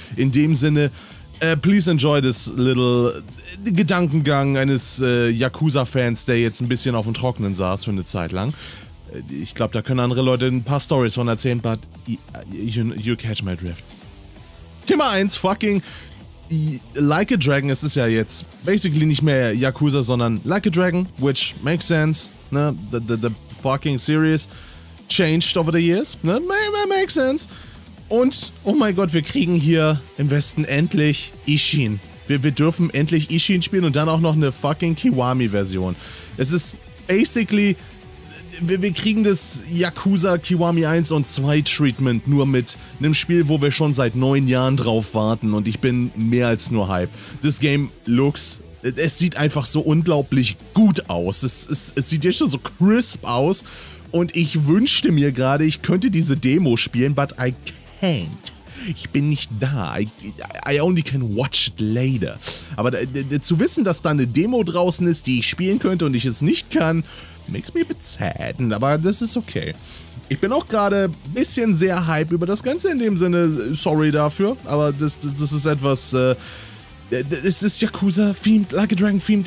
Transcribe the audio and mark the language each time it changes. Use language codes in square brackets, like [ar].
[de] In dem Sinne, [en] please enjoy this little [de] Gedankengang eines Yakuza-Fans, der jetzt ein bisschen auf dem Trockenen saß für eine Zeit lang. Ich glaube, da können andere Leute ein paar Stories von erzählen, [en] but you catch my drift. [de] Thema 1, fucking Like a Dragon, es ist ja jetzt basically nicht mehr Yakuza, sondern Like a Dragon, [en] which makes sense, [de] ne? [en] The fucking series changed over the years, ne? Makes sense. [de] Und, oh mein Gott, wir kriegen hier im Westen endlich Isshin. Wir dürfen endlich Isshin spielen und dann auch noch eine fucking Kiwami-Version. Es ist basically, wir kriegen das Yakuza Kiwami 1 und 2 Treatment nur mit einem Spiel, wo wir schon seit 9 Jahren drauf warten und ich bin mehr als nur Hype. [en] This game looks, [de] es sieht einfach so unglaublich gut aus. Es sieht jetzt schon so crisp aus und ich wünschte mir gerade, ich könnte diese Demo spielen, [en] but I can't. [de] Ich bin nicht da. [en] I only can watch it later. [de] Aber zu wissen, dass da eine Demo draußen ist, die ich spielen könnte und ich es nicht kann, [en] makes me a bit sad. [de] Aber das ist okay. Ich bin auch gerade ein bisschen sehr hype über das Ganze in dem Sinne. Sorry dafür. Aber das ist etwas. Es ist Yakuza-themed, Like a Dragon-themed.